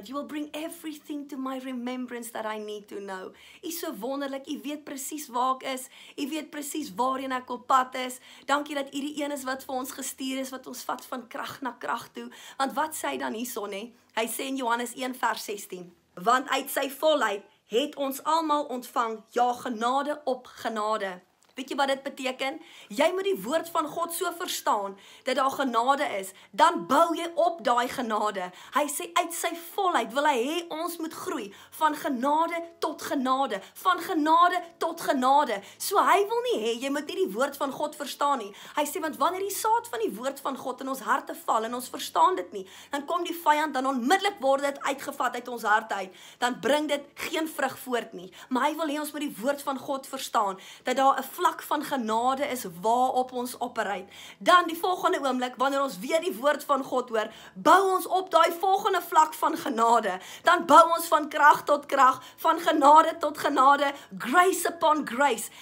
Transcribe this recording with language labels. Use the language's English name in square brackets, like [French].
[English] You will bring everything to my remembrance that I need to know. [Afrikaans] U is so wonderlik. U weet presies waar ek is. U weet presies waarheen ek op pad is. Dankie dat u die een is wat vir ons gestuur is, wat ons vat van krag na krag toe. Want wat sê hy dan hierso, nê? Hy sê in Johannes 1 vers 16, want uit sy volheid het ons almal ontvang, ja, genade op genade. Weet jy wat dit beteken? Jy moet die woord van God so verstaan, dat daar genade is. Dan bou jy op daai genade. Hy sê, uit sy volheid wil hy hê ons moet groei. Van genade tot genade. Van genade tot genade. So hy wil nie hê, jy moet nie die woord van God verstaan nie. Hy sê, want wanneer die saad van die woord van God in ons harte val, en ons verstaan dit nie, dan kom die vyand, dan onmiddellik word dit uitgevat uit ons hart uit. Dan bring dit geen vrug voort nie. Maar hy wil hê ons moet die woord van God verstaan, dat daar 'n vlak van genade is waarop ons opereit. Dan die volgende oomblik, wanneer ons weer die woord van God hoor, bou ons op daai volgende vlak van genade. Dan bou ons van krag tot krag, van genade tot genade, [English] grace upon grace.